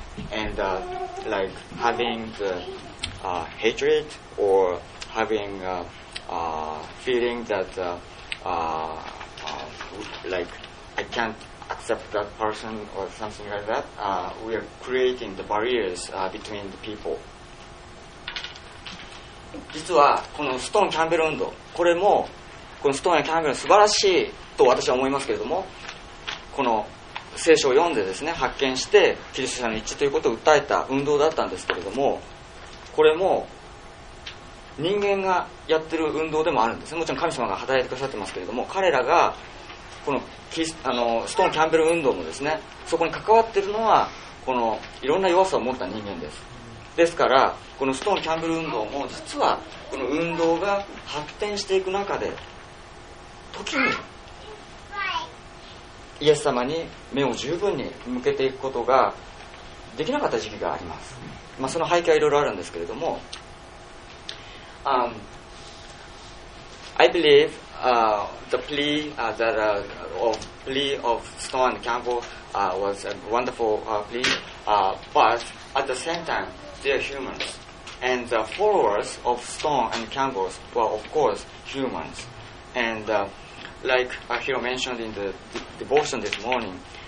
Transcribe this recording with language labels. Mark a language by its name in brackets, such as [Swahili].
[English] And like having the hatred or having feeling that like I can't accept that person or something like that, we are creating the barriers between the people. [Japanese] 実はこのストーン・キャンベル運動、これもこのストーン・キャンベル素晴らしいと私は思いますけれども、この聖書を読んでですね、発見してキリスト者の一致ということを訴えた運動だったんですけれども、これも人間がやってる運動でもあるんですね。もちろん神様が働いてくださってますけれども、彼らがこ の, あのストーン・キャンベル運動もですね、そこに関わっているのはこのいろんな弱さを持った人間です。ですからこのストーン・キャンベル運動も、実はこの運動が発展していく中で、時にイエス様に目を十分に向けていくことができなかった時期があります。まあ、その背景はいろいろあるんですけれども、 [English] I believe the plea that of plea of Stone and Campbell was a wonderful plea, but at the same time they are humans, and the followers of Stone and Campbell were of course humans, and like Hiro mentioned in the devotion this morning,